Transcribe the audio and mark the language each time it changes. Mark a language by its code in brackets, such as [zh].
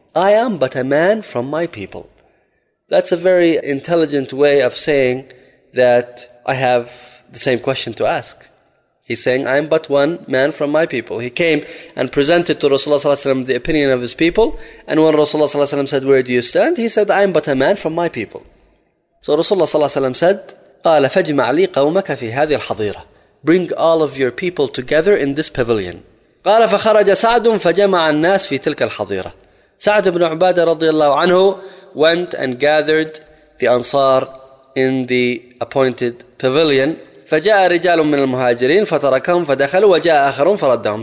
[en] I am but a man from my people. That's a very intelligent way of saying that I have the same question to ask. He's saying, I am but one man from my people. He came and presented to Rasulullah ﷺ the opinion of his people. And when Rasulullah ﷺ said, where do you stand? He said, I am but a man from my people. So Rasulullah ﷺ said, [ar] قَالَ فَجْمَعْ لِي قَوْمَكَ فِي هَذِي الْحَضِيرَةِ. [en] Bring all of your people together in this pavilion. [ar] قَالَ فَخَرَجَ سَعْدٌ فَجَمَعَ النَّاسِ فِي تِلْكَ الْحَضِيرَةِ. [en] سَعْدُ بْنُ عُبَادَ [ar] رَضِيَ اللَّهُ عَنْهُ [en] went and gathered the Ansar in the appointed pavilion. [ar] فَجَاءَ رِجَالٌ مِّنَ الْمُهَاجِرِينَ فَتَرَكَهُمْ فَدَخَلُوا وَجَاءَ آخَرُونَ فَرَدَّهُمْ.